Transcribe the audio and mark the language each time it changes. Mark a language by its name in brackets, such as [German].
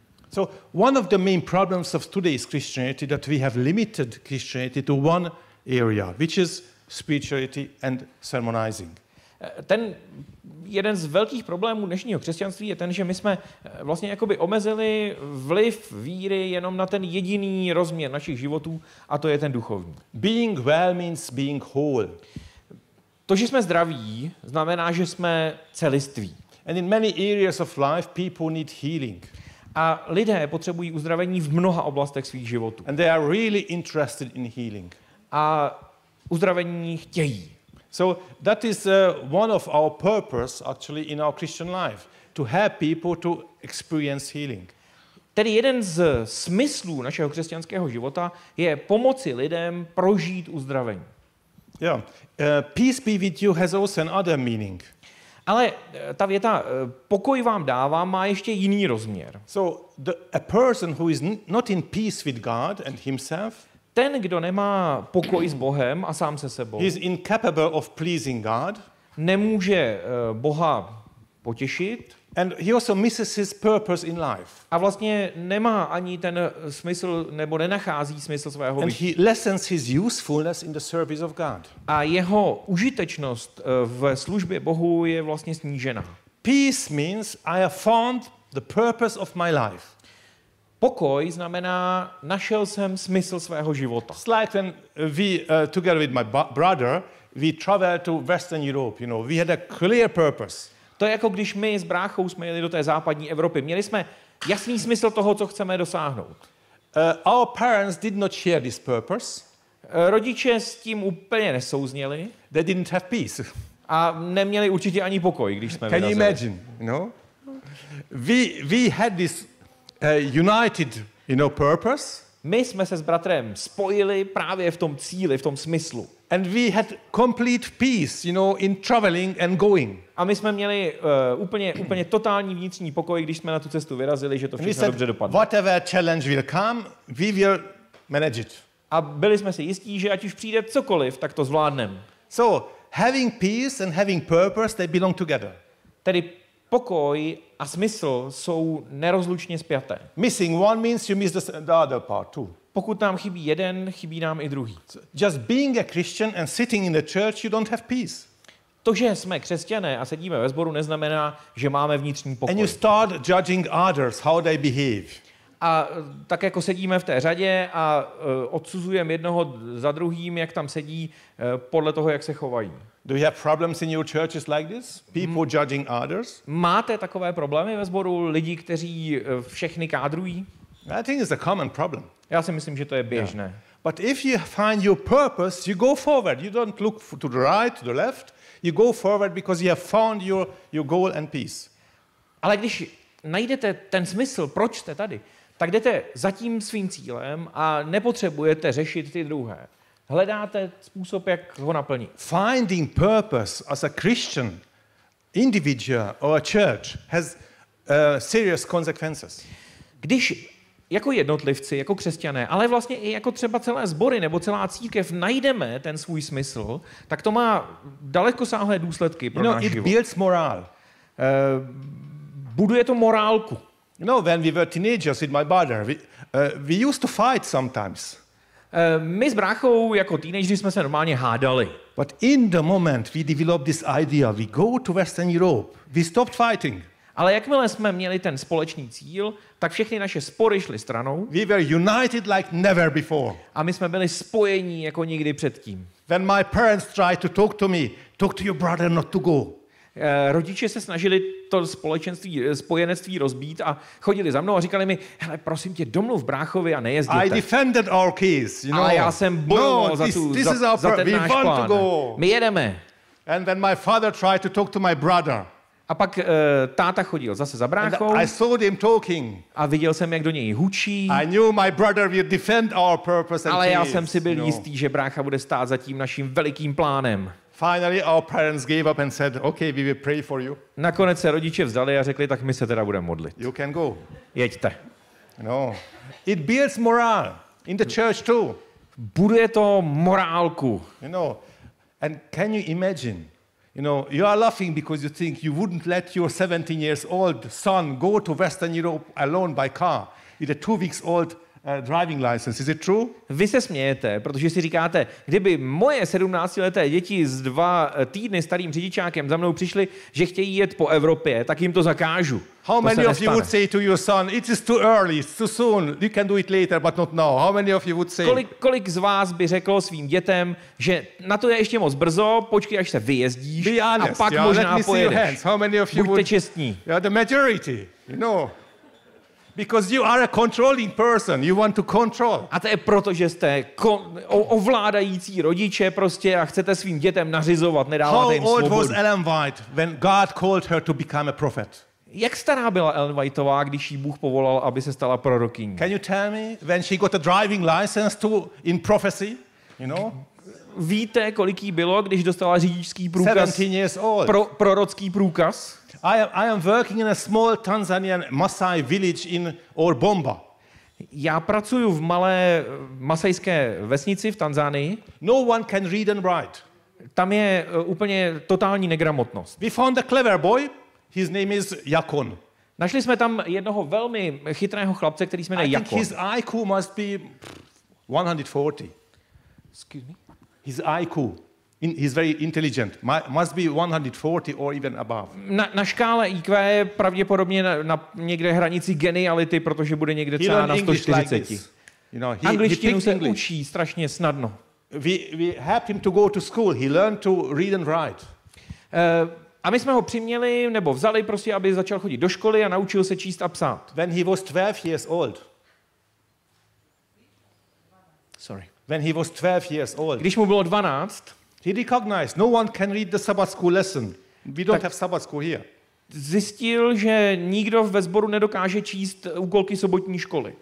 [English] So one of the main problems of today's Christianity that we have limited Christianity to one area, which is spirituality and sermonizing. [Czech] Ten jeden z velkých problémů dnešního křesťanství je ten, že my jsme vlastně jakoby omezili vliv víry jenom na ten jediný rozměr našich životů, a to je ten duchovní. [English] Being well means being whole. [Czech] To, že jsme zdraví, znamená, že jsme celiství. [English] And in many areas of life people need healing. [Czech] A lidé potřebují uzdravení v mnoha oblastech svých životů. [English] And they are really interested in healing. [Czech] A uzdravení chtějí. [English] So that is one of our purpose actually in our Christian life, to help people to experience healing. [Czech] Tedy jeden z smyslů našeho křesťanského života je pomoci lidem prožít uzdravení. Yeah. [English] Peace be with you has also another meaning. [Czech] Ale ta věta pokoj vám dávám má ještě jiný rozměr. [English] So a person who is not in peace with God and himself, [Czech] ten, kdo nemá pokoj s Bohem a sám se sebou, [English] he is incapable of pleasing God, [Czech] nemůže Boha potěšit, [English] and he also misses his purpose in life. [Czech] A vlastně nemá ani ten smysl, nebo nenachází smysl svého [English] bytí. And he lessens his usefulness in the service of God. [Czech] A jeho užitečnost v službě Bohu je vlastně snížena. [English] Peace means I have found the purpose of my life. [Czech] Pokoj znamená, našel jsem smysl svého života. [English] It's like when we, together with my brother, we traveled to Western Europe, you know, we had a clear purpose. [Czech] To je jako když my s bráchou jsme jeli do té západní Evropy. Měli jsme jasný smysl toho, co chceme dosáhnout. [English] Our parents did not share this purpose. [Czech] Rodiče s tím úplně nesouzněli. [English] They didn't have peace. [Czech] A neměli určitě ani pokoj, když jsme [English] vyrazili. Can you imagine, you know? We had this united, you know, purpose. [Czech] My jsme se s bratrem spojili právě v tom cíli, v tom smyslu. [English] And we had complete peace, you know, in traveling and going. [Czech] A my jsme měli úplně totální vnitřní pokoj, když jsme na tu cestu vyrazili, že to všechno [English] said, [Czech] dobře dopadne. [English] Whatever challenge will come, we will manage it. [Czech] A byli jsme si jistí, že ať už přijde cokoliv, tak to zvládneme. [English] So, having peace and having purpose, they belong together. [Czech] Tedy pokoj a smysl jsou nerozlučně spjaté. [English] Missing one means you miss the other part too. [Czech] Pokud nám chybí jeden, chybí nám i druhý. [English] Just being a Christian and sitting in the church, you don't have peace. [Czech] To, že jsme křesťané a sedíme ve sboru, neznamená, že máme vnitřní pokoj. [English] And you start judging others, how they behave. [Czech] A tak jako sedíme v té řadě a odsuzujeme jednoho za druhým, jak tam sedí, podle toho, jak se chovají. [English] Do you have problems in your churches like this? People judging others? [Czech] Máte takové problémy ve sboru, lidi, kteří všechny kádrují? [English] I think it's a common problem. [Czech] Já si myslím, že to je běžné. Yeah. [English] But if you find your purpose, you go forward. You don't look to the right, to the left. You go forward because you have found your goal and peace. [Czech] Ale když najdete ten smysl, proč jste tady, tak jdete za tím svým cílem a nepotřebujete řešit ty druhé. Hledáte způsob, jak ho naplnit. [English] Finding purpose as a Christian, individual or a church has serious consequences. [Czech] Když jako jednotlivci, jako křesťané, ale vlastně i jako třeba celé sbory nebo celá církev najdeme ten svůj smysl, tak to má dalekosáhlé důsledky pro náš život. [English] It builds morale. [Czech] Buduje to morálku. [English] No, when we were teenagers with my brother, we used to fight sometimes. [Czech] My s bráchou jako teenageři jsme se normálně hádali. [English] But in the moment we developed this idea, we go to Western Europe, we stopped fighting. [Czech] Ale jakmile jsme měli ten společný cíl, tak všechny naše spory šly stranou. [English] We were united like never before. [Czech] A my jsme byli spojení jako nikdy předtím. [English] When my parents tried to talk to me, talk to your brother not to go. [Czech] Rodiče se snažili to společenství, spojenectví rozbít a chodili za mnou a říkali mi, hele, prosím tě, domluv bráchovi a nejezděte. [English] I defended our case, you know. [Czech] A já jsem bojoval za ten náš plán. My jedeme. [English] And then my father tried to talk to my brother. [Czech] A pak táta chodil zase za bráchou. [English] I saw him talking. [Czech] A viděl jsem, jak do něj hučí. [English] I knew my brother would defend our purpose and [Czech] ale já jsem si byl jistý, že brácha bude stát za tím naším velikým plánem. [English] Finally our parents gave up and said, okay, we will pray for you. [Czech] Nakonec se rodiče vzdali a řekli, tak my se teda budeme modlit. [English] You can go. [Czech] Jeďte. No. [English] It builds morale in the church too. [Czech] Buduje to morálku. [English] You know, and can you imagine? You know, you are laughing because you think you wouldn't let your 17 years old son go to Western Europe alone by car with a 2 weeks old driving license. Is it true? [Czech] Vy se smějete, protože si říkáte, kdyby moje 17leté děti s 2 týdny starým řidičákem za mnou přišli, že chtějí jet po Evropě, tak jim to zakážu. [English] How many of you would say to your son, it is too early, it's too soon, you can do it later, but not now. How many of you would say? [Czech] Kolik z vás by řeklo svým dětem, že na to je ještě moc brzo, počkej, až se vyjezdíš, [English] be honest, [Czech] a pak yeah, možná [English] let me [Czech] pojedeš. [English] See your hands. How many of you [Czech] buďte [English] would... [Czech] čestní. [English] Yeah, the majority, you know. Because you are a controlling person, you want to control. [Czech] A to je proto, že jste ovládající rodiče prostě a chcete svým dětem nařizovat, nedáváte jim svobodu. [English] How old was Ellen White when God called her to become a prophet? [Czech] Jak stará byla Ellen Whiteová, když jí Bůh povolal, aby se stala prorokyní? [English] Can you tell me when she got a driving license to in prophecy, you know? [Czech] Víte, kolik jí bylo, když dostala řidičský průkaz? Prorocký průkaz? [English] I am working in a small Tanzanian Maasai village in Orbomba. [Czech] Já pracuji v malé masajské vesnici v Tanzánii. [English] No one can read and write. [Czech] Tam je úplně totální negramotnost. [English] We found a clever boy. His name is Yakon. [Czech] Našli jsme tam jednoho velmi chytrého chlapce, který se jmenuje Yakon. [English] I think his IQ must be 140. Excuse me. His IQ. He's very intelligent. Must be 140 or even above. [Czech] Na škále IQ je pravděpodobně na někde hranici geniality, protože bude někde třeba na 140. [English] Like you know, [Czech] angličtinu se učí strašně snadno. [English] We helped him to go to school. He learned to read and write. [Czech] A my jsme ho přiměli nebo vzali prostě, aby začal chodit do školy a naučil se číst a psát. [English] When he was 12 years old. Sorry. When he was 12 years old. [Czech] Když mu bylo 12. [English] He recognized no one can read the Sabbath school lesson. We don't have Sabbath school here. [Czech] Zjistil, že nikdo ve sboru nedokáže číst úkolky sobotní školy.